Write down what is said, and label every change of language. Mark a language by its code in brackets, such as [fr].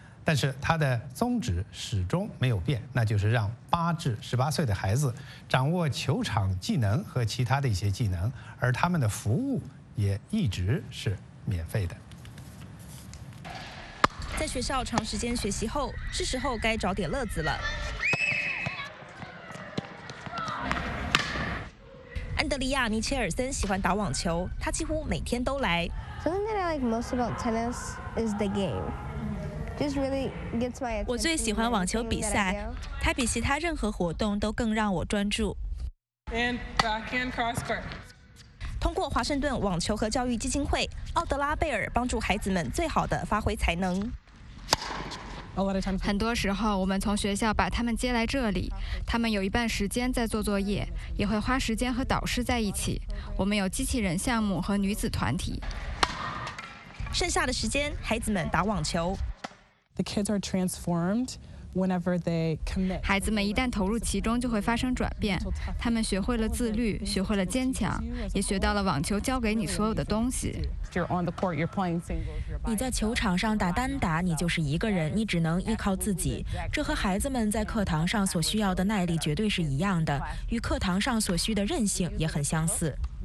[zh] 但是他的宗旨始终没有变，那就是让八至十八岁的孩子掌握球场技能和其他的一些技能，而他们的服务也一直是免费的。在学校长时间学习后，是时候该找点乐子了。安德利亚·尼切尔森喜欢打网球，他几乎每天都来。 [en] Something that I like most about tennis is the game. Just really gets my attention. [zh] 我最喜欢网球比赛，它比其他任何活动都更让我专注。 [en] And backhand cross court. [zh] 通过华盛顿网球和教育基金会，奥德拉·贝尔帮助孩子们最好的发挥才能。很多时候我们从学校把他们接来这里，他们有一半时间在做作业，也会花时间和导师在一起。我们有机器人项目和女子团体。剩下的时间孩子们打网球。 [en] The kids are transformed whenever they commit. [zh] 孩子们一旦投入其中就会发生转变，他们学会了自律，学会了坚强，也学到了网球教给你所有的东西。你在球场上打单打，你就是一个人，你只能依靠自己。这和孩子们在课堂上所需要的耐力绝对是一样的，与课堂上所需的韧性也很相似。